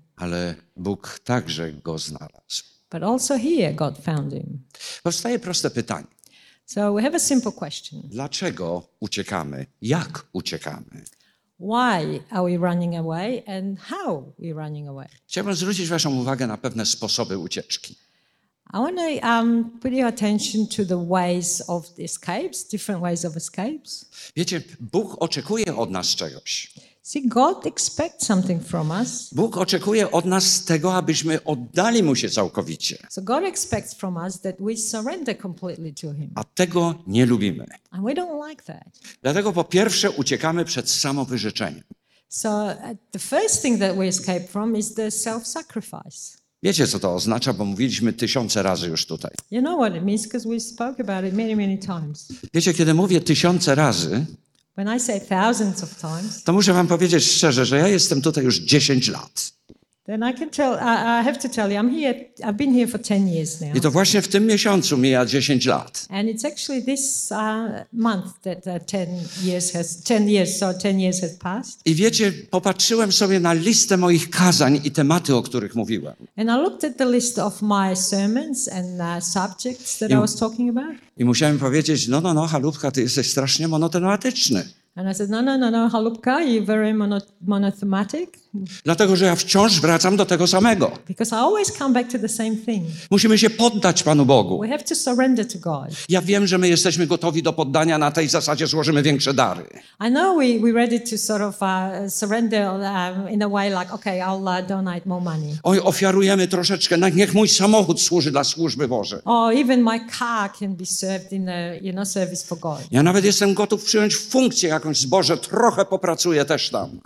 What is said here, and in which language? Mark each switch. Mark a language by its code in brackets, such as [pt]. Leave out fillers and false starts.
[pl] Ale Bóg także go znalazł. [en] But also here God found him. [pl] Powstaje proste pytanie. [en] So we have a simple question. [pl] Dlaczego uciekamy? Jak uciekamy? [en] Why are we running away and how we running away? [pl] Chciałbym zwrócić waszą uwagę na pewne sposoby ucieczki. [en] I want to put your attention to the ways of escapes, different ways of escapes. [pl] Wiecie, Bóg oczekuje od nas czegoś. [en] See, God expects something from us. [pl] Bóg oczekuje od nas tego, abyśmy oddali mu się całkowicie. [en] So God expects from us that we surrender completely to him. [pl] A tego nie lubimy. [en] And we don't like that. [pl] Dlatego po pierwsze uciekamy przed samowyrzeczeniem. [en] So the first thing that we escape from is the self-sacrifice. [pl] Wiecie, co to oznacza, bo mówiliśmy tysiące razy już tutaj. [en] You know what it means, because we spoke about it many, many times. [pl] Wiecie, kiedy mówię tysiące razy, [en] when I say thousands of times, [pl] to muszę wam powiedzieć szczerze, że ja jestem tutaj już 10 lat. [en] Then I can tell, I have to tell you, I'm here, I've been here for 10 years now. [pl] I to właśnie w tym miesiącu mija 10 lat. [en] And it's actually this month that 10 years has passed. [pl] I wiecie, popatrzyłem sobie na listę moich kazań i tematy, o których mówiłem. [en] And I looked at the list of my sermons and subjects that I was talking about. [pl] I musiałem powiedzieć, no, Chalupka, ty jesteś strasznie monotematyczny. [en] And I said, no, Chalupka, you're very monothematic. [pl] Dlatego, że ja wciąż wracam do tego samego. [en] Because I always come back to the same thing. [pl] Musimy się poddać Panu Bogu. [en] We have to surrender to God. [pl] Ja wiem, że my jesteśmy gotowi do poddania, na tej zasadzie złożymy większe dary. [en] I know we're ready to sort of surrender in a way like, okay, I'll donate more money. [pl] Oj, ofiarujemy troszeczkę, niech mój samochód służy dla służby Bożej. [en] Oh, even my car can be served in a, you know, service for God. [pl] Ja nawet jestem gotów przyjąć funkcję jakąś z Boże, trochę popracuję też tam.